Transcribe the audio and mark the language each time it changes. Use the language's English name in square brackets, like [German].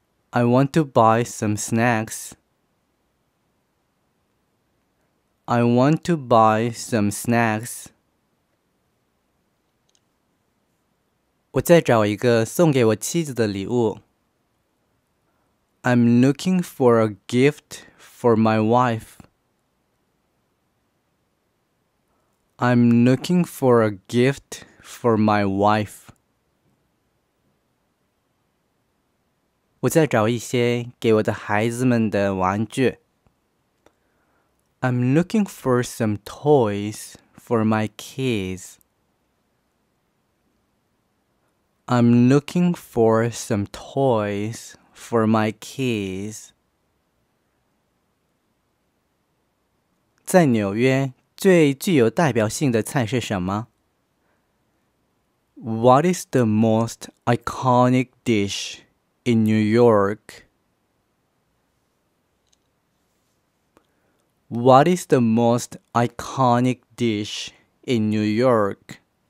[English] I want to buy some snacks. I want to buy some snacks. [Chinese] 我在找一个送给我妻子的礼物。 [English] I'm looking for a gift for my wife. I'm looking for a gift for my wife. [Chinese] 我在找一些给我的孩子们的玩具。 [English] I'm looking for some toys for my kids. I'm looking for some toys. For my kids. [Chinese] 在纽约最具有代表性的菜是什么？ [English] What is the most iconic dish in New York? What is the most iconic dish in New York?